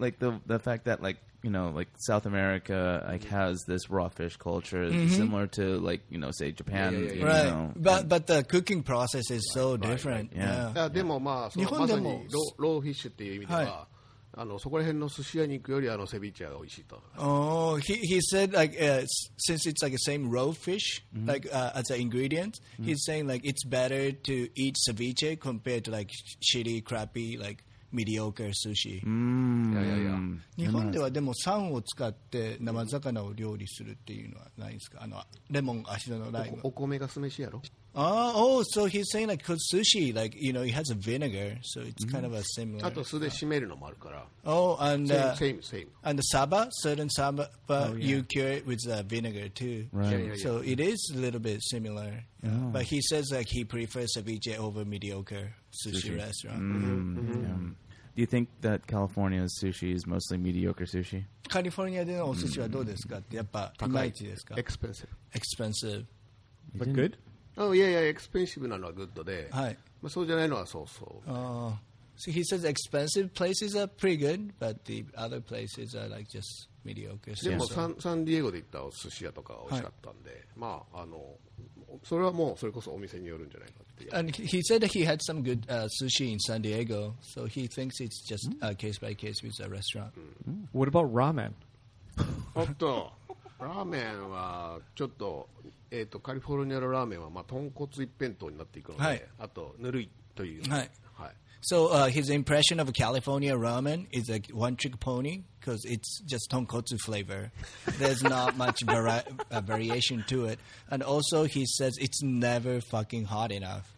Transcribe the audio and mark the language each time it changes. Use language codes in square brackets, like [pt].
[en] Like the fact that like, you know, like South America like has this raw fish culture similar to like, you know, say Japan. But the cooking process is so different. [ja] でもまあ、日本でもローフィッシュっていう意味では、はい、あのそこら辺の寿司屋に行くよりあのセビーチェが美味しいと。 [en] He said like since it's like the same raw fish like as an ingredient, he's saying like it's better to eat ceviche compared to like shitty, crappy, like mediocre sushi. Yeah. [ja] 日本ではでも酸を使って生魚を料理するっていうのはないですか？あのレモン味のライム。お米が酢飯やろ。 [en] Oh, so he's saying like cooked sushi, like you know, it has a vinegar, so it's kind of a similar. [ja] あと酢で締めるのもあるから。 [en] Oh, and same. And the saba, certain saba, you cure it with vinegar too. Right. Yeah. So it is a little bit similar. Yeah. But he says like he prefers ceviche over mediocre sushi restaurant. Do you think that California's sushi is mostly mediocre sushi? [ja] California でのお寿司はどうですか？やっぱ高いですか？ [en] Expensive. But good. Oh yeah, yeah. Expensive [ja] なのはグッドで、はい。まあそうじゃないのはそうそう。 [en] So he says expensive places are pretty good, but the other places are like just mediocre. [ja] でもサンディエゴで行ったお寿司屋とか美味しかったんで、はい、まああのそれはもうそれこそお店によるんじゃないかっていう。 [en] And he said that he had some good sushi in San Diego, so he thinks it's just case by case with the restaurant. What about ramen? [ja] おっと、ラーメンはちょっと。カリフォルニアのラーメンは、まあ、豚骨一辺倒になっていくので、はい、あとぬるいという、はいはい、 [en] So his impression of California ramen is like one trick pony because it's just 豚骨 flavor. There's not much variation to it. And also he says it's never fucking hot enough.